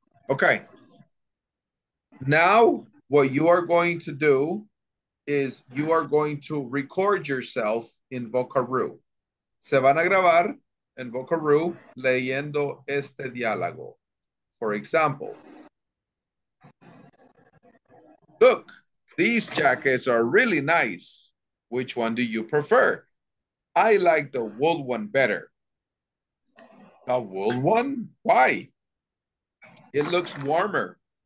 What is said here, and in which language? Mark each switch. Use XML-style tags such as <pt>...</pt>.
<en>Okay, now what you are going to do is you are going to record yourself in Vocaroo.</en> <es>Se van a grabar en Vocaroo leyendo este diálogo.</es> <en>For example, look, these jackets are really nice. Which one do you prefer? I like the wool one better. The wool one? Why? It looks warmer.</en>